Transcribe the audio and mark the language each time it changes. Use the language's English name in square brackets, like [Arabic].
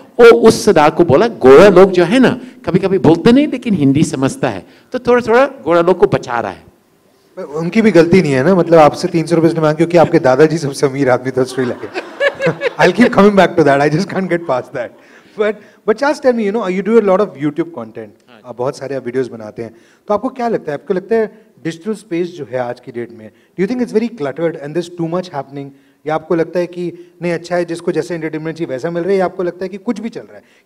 [Hindi] वो उस सदा को बोला, गोरा लोग जो है ना कभी कभी बोलते नहीं लेकिन हिंदी समझता है, तो थोड़ा थोड़ा गोरा लोग को बचा रहा है. उनकी भी गलती नहीं है ना, मतलब आपसे 300 रुपये उसने मांगे क्योंकि आपके दादाजी सबसे अमीर आदमी था Sri Lanka. [English] I keep coming back to that, I just can't get past that. But just tell me, you know, you do a lot of YouTube content. [Hindi] आप बहुत सारे videos बनाते हैं. तो आपको क्या लगता है, आपको लगता है digital space जो है आज की date में, [English] do you think it's very cluttered and there's too much happening? [Hindi] या आपको लगता है कि नहीं, अच्छा है जिसको जैसे entertainment चाहिए वैसा मिल रहा है, या आपको लगता है कि कुछ भी चल रहा है?